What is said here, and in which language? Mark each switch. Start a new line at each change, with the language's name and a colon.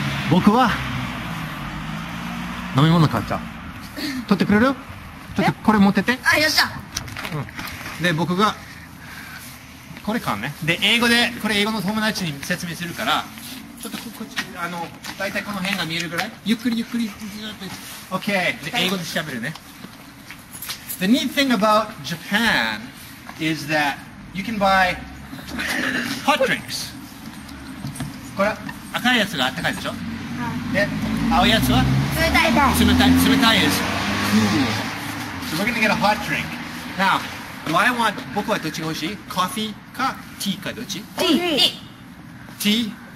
Japanese: 僕は飲み物買っちゃう。取ってくれる？ちょっとこれ持ってて。あ、よっしゃ、うん、で、僕がこれ買うね。で、英語でこれ英語の友達に説明するから、ちょっとこっち、あの、だいたいこの辺が見えるぐらいゆっくりゆっくりずっと。 OK、 で、英語で喋るね。
English: The neat thing about Japan is that you can buy hot drinks.
Japanese: これ赤いやつが温かいでしょ？で、青いやつは冷たい。
English: is cool. So we're gonna get a hot drink. Now, do I want
Japanese: 僕はどっちが欲しい？ Coffee か tea かどっち？
English: Tea.